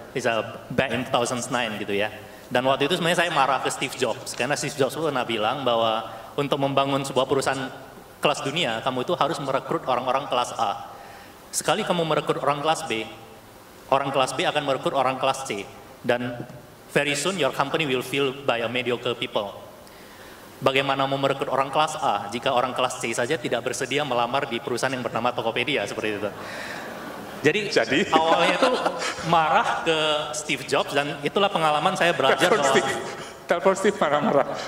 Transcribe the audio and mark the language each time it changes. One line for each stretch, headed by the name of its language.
English: It's a back in 2009
Indonesian: gitu ya. Dan waktu itu sebenarnya saya marah ke Steve Jobs. Karena Steve Jobs pernah bilang bahwa untuk membangun sebuah perusahaan kelas dunia, kamu itu harus merekrut orang-orang kelas A. Sekali kamu merekrut orang kelas B, orang kelas B akan merekrut orang kelas C. Dan
English: very soon your company will fill by a mediocre people.
Indonesian: Bagaimana mau merekrut orang kelas A jika orang kelas C saja tidak bersedia melamar di perusahaan yang bernama Tokopedia, seperti itu. Jadi awalnya itu marah ke Steve Jobs, dan itulah pengalaman saya belajar. Telepon Steve marah-marah.